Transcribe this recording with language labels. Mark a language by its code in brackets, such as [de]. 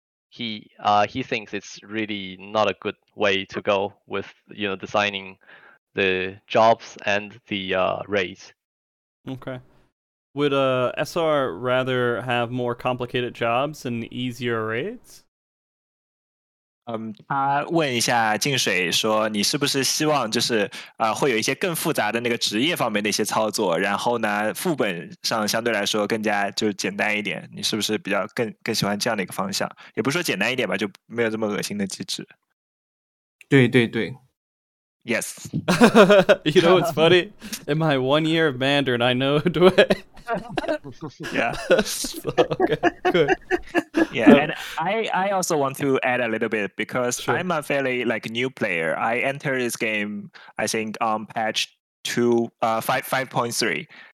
[en] He thinks it's really not a good way to go with, you know, designing the jobs and the raids. Okay. Would SR rather have more complicated jobs and easier raids? [zh] 他问一下静水说你是不是希望就是会有一些更复杂的那个职业方面的一些操作，然后呢副本上相对来说更加就简单一点，你是不是比较更喜欢这样的一个方向，也不是说简单一点吧，就没有这么恶心的机制。 [en] 对对对。 Yes. You know what's funny? In my 1 year of Mandarin, I know Dwayne. Yeah. So, okay, good. Yeah, and I also want to add a little bit because sure. I'm a fairly like new player. I entered this game, I think, on patch 5.3.